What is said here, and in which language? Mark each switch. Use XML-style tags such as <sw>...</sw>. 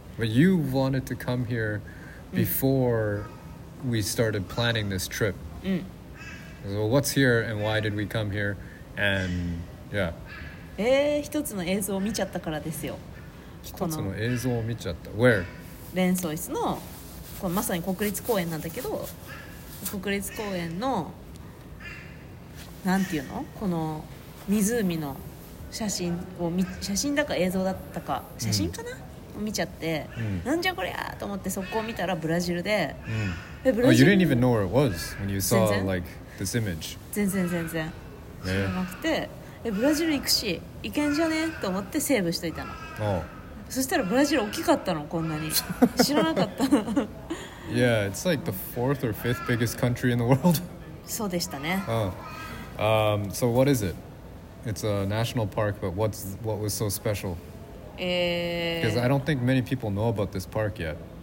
<en>But you wanted to come here before we started planning this trip. So what's here and why did we come here? And yeah.</en> <ja>一つの映像を見ちゃったからですよ。一つの映像を見ちゃった。</ja> <en>Where?</en> <ja>レンソイスの、これまさに国立公園なんだけど、国立公園の、なんていうの？この湖の写真を見、写真だか映像だったか、写真かな？を見ちゃって、なんじゃこりゃと思って、そこを見たらブラジルで、</ja> <en>Oh, you didn't even know where it was when you saw like this image.</en> <ja>全然。知らなくて、ブラジル行くし、行けんじゃねと思ってセーブしといたの。そしたらブラジル大きかったの、こんなに。知らなかった。</ja> <en>Yeah, it's like the fourth or fifth biggest country in the world.</en> <ja>そうでしたね。</ja> <en>So what is it? It's a national park, but what was so special? Because I don't think many people know about this park yet.</en>